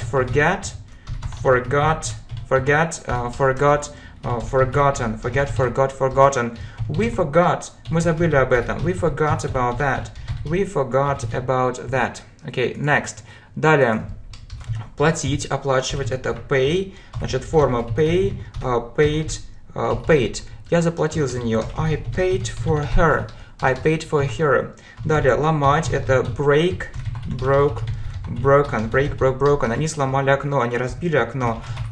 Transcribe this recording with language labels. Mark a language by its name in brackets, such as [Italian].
[English] Forget, forgot, forget, forgot, forgotten. Forget, forgot, forgotten. We forgot. [Russian] Мы забыли об этом. [English] We forgot about that. We forgot about that. Okay, next. Далее. [Russian] Платить, оплачивать, это pay. Значит, форма pay, paid, paid. Я заплатил за нее. [English] I paid for her. I paid for her. [Russian] Далее, ломать, это [English] break, broke, broken. Break, broke, broken. [Russian] Они сломали окно, они разбили окно.